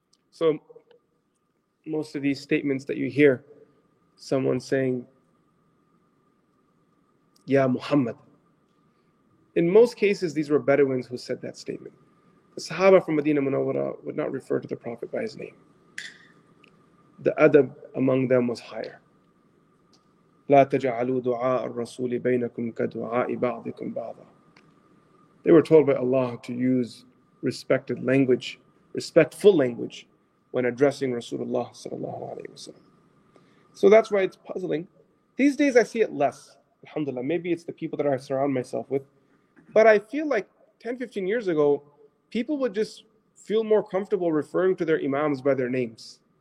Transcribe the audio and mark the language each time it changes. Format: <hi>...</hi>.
<en>So most of these statements that you hear, someone saying, "Ya Muhammad." In most cases, these were Bedouins who said that statement. The Sahaba from Medina Munawwara would not refer to the Prophet by his name. The adab among them was higher.</en> <ar>لا تجعلوا دعاء الرسول بينكم كدعاء بعضكم بعضا.</ar> <en>They were told by Allah to use respected language, respectful language, when addressing Rasulullah sallallahu alaihi wasallam. So that's why it's puzzling. These days I see it less, alhamdulillah. Maybe it's the people that I surround myself with. But I feel like 10, 15 years ago, people would just feel more comfortable referring to their imams by their names.</en>